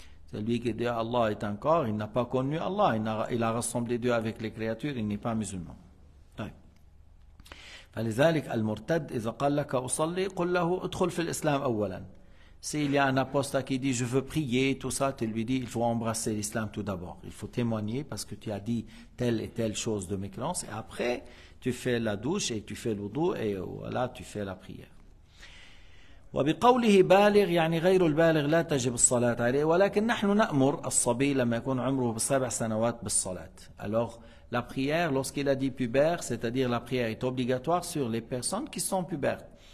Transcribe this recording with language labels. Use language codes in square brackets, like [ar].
[fr] Celui qui dit Allah est encore, il n'a pas connu Allah, il a rassemblé Dieu avec les créatures, il n'est pas musulman. [ar] فلذلك المرتد إذا قال لك أصلي قل له ادخل في الإسلام أولا. [fr] S'il y a un apostat qui dit je veux prier, tout ça, tu lui dis il faut embrasser l'islam tout d'abord. Il faut témoigner parce que tu as dit telle et telle chose de mécréance. Et après, tu fais la douche et tu fais le wudu et voilà, tu fais la prière. [ar] وبقوله بالغ يعني غير البالغ لا تجب الصلاة عليه ولكن نحن نأمر الصبي لما يكون عمره بسبع سنوات بالصلاة. [fr] Alors, la prière, lorsqu'il a dit pubère, c'est-à-dire la prière est obligatoire sur les personnes qui sont pubères.